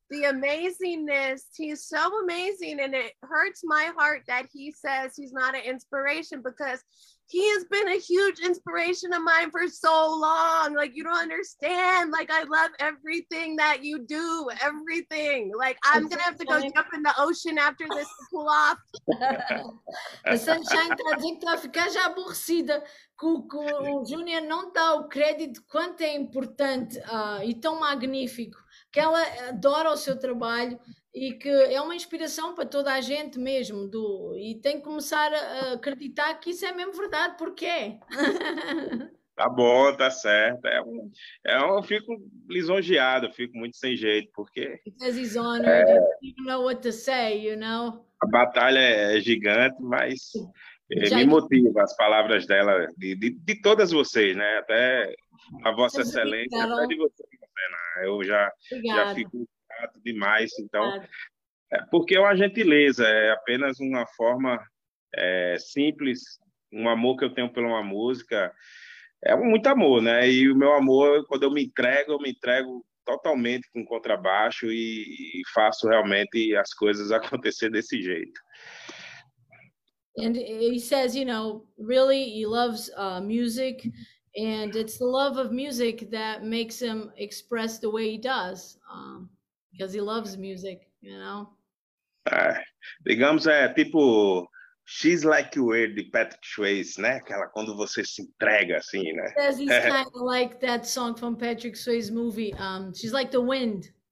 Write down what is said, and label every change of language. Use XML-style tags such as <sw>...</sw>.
<en>the amazingness. He's so amazing, and it hurts my heart that he says he's not an inspiration, because he has been a huge inspiration of mine for so long. Like, you don't understand. Like, I love everything that you do, everything. Like, I'm going to have to go jump in the ocean after this to pull off.</en> <pt>A Sunshine está a dizer que está a ficar já aborrecida que o Júnior não dá o crédito de quanto é importante e tão magnífico, que ela adora o seu trabalho e que é uma inspiração para toda a gente mesmo, e tem que começar a acreditar que isso é mesmo verdade, porque é. Tá bom, tá certo. Eu fico lisonjeado, eu fico muito sem jeito, porque...</pt> <en>Because he's honored, you don't even know what to say, you know?</en> <pt>A batalha é gigante, mas me motiva as palavras dela, de todas vocês, né? Até a Vossa Excelência, até de vocês. Eu já fico grato demais, então, porque é uma gentileza, é apenas uma forma simples, um amor que eu tenho pela uma música, é muito amor, né? E o meu amor, quando eu me entrego totalmente com contrabaixo e faço realmente as coisas acontecer desse jeito.</pt> <en>And he says, you know, really, he loves music. And it's the love of music that makes him express the way he does, because he loves music, you know?</en> <pt>Digamos, tipo, She's Like You Were, de Patrick Swayze, né? Aquela quando você se entrega, assim, né?</pt> <en>He says he's kind of like that song from Patrick Swayze movie, She's Like the Wind.</en>